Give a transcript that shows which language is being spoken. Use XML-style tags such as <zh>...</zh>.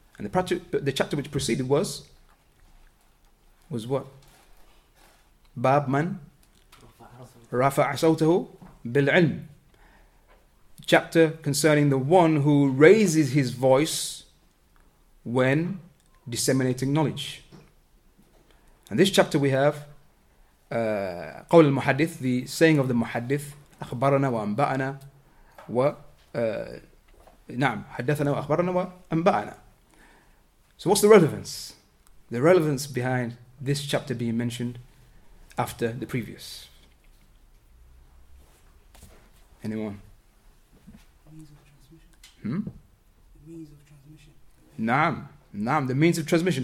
<en>And the chapter which preceded was what?</en> <ar>باب من رفع صوته بالعلم.</ar> <en>Chapter concerning the one who raises his voice when disseminating knowledge. And this chapter we have</en> <ar>قول المحدث,</ar> <en>the saying of the</en> <ar>محدث, أخبرنا وأنبأنا و نعم حدثنا وأخبرنا وأنبأنا.</ar> <en>So what's the relevance? The relevance behind this chapter being mentioned after the previous. Anyone? The means of transmission.</en>